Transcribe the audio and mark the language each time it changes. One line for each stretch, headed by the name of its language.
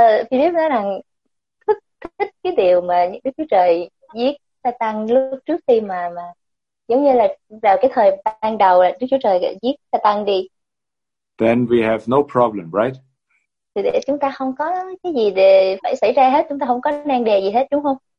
Vietnamese: Philip nói rằng thích cái điều mà Đức Chúa Trời giết Satan lúc trước khi mà giống như là vào cái thời ban đầu là Đức Chúa Trời giết Satan đi.
English: Then we have no problem, right?
Vietnamese: Thì để chúng ta không có cái gì để phải xảy ra hết, chúng ta không có nan đề gì hết đúng không?